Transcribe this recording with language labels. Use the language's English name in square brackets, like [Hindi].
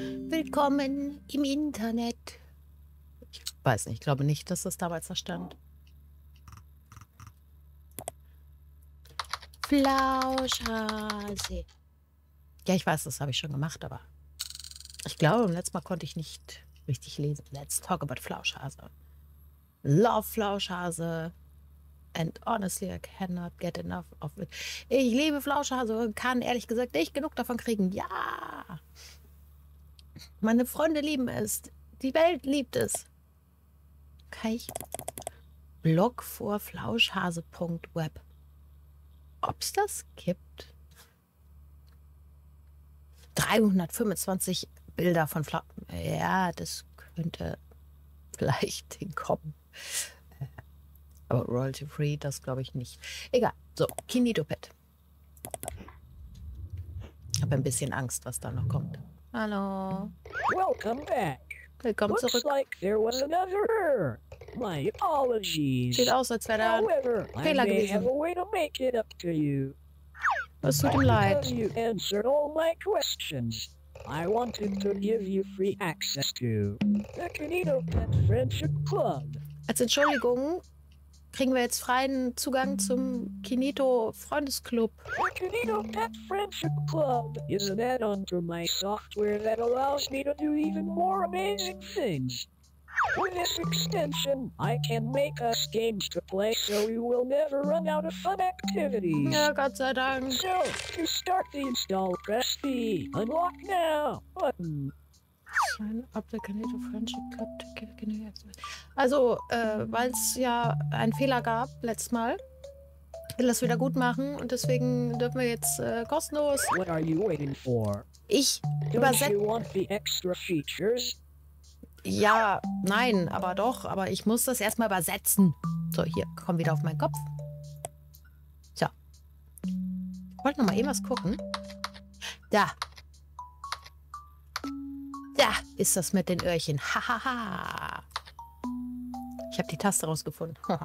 [German] Willkommen im Internet. Ich weiß nicht, ich glaube nicht, dass das damals da stand. Flauschhase. Ja, ich weiß, das habe ich schon gemacht, aber ich glaube, im letzten Mal konnte ich nicht richtig lesen. [English] Let's talk about Flauschhase. Love Flauschhase. And honestly, I cannot get enough of it. [German] Ich liebe Flauschhase und kann ehrlich gesagt nicht genug davon kriegen. Ja! Meine Freunde lieben es. Die Welt liebt es. Kann ich Blog vor Flauschhase.web. Ob es das gibt? 325 Bilder von Flauschhase. Ja, das könnte vielleicht hinkommen. Aber royalty free, das glaube ich nicht. Egal. So, Kinetopad. Ich habe ein bisschen Angst, was da noch kommt. Hallo. [English] Welcome back. [German] Willkommen [English] Looks [German] zurück. [English] Like there was another. My apologies. [German] Sieht aus, als wäre da ein Fehler gewesen. [English] Have a way to make it up to you. [German] Was tut ihm leid. [English] You answered all my questions. I wanted to give you free access to the Kinetopad Friendship Club. [German] Als Entschuldigung kriegen wir jetzt freien Zugang zum Kinetopet-Freundesclub. [English] The Kinetopet Friendship Club is an add-on to my software that allows me to do even more amazing things. With this extension, I can make us games to play so we will never run out of fun activities. [German] Ja, Gott sei Dank. [English] So, to start the install, press the Unlock Now button. Sign up the Kinetto Friendship Club to get Kinetto. [German] Also, weil es ja einen Fehler gab letztes Mal, will das wieder gut machen und deswegen dürfen wir jetzt kostenlos. [English] What are you waiting for? [German] Ich übersetze. [English] Don't you want the extra features? [German] Ja, nein, aber doch, aber ich muss das erstmal übersetzen. So, hier, komm wieder auf meinen Kopf. So. Ich wollte nochmal irgendwas gucken. Da. Da ist das mit den Öhrchen. Hahaha. Ha, ha. Ich habe die Taste rausgefunden.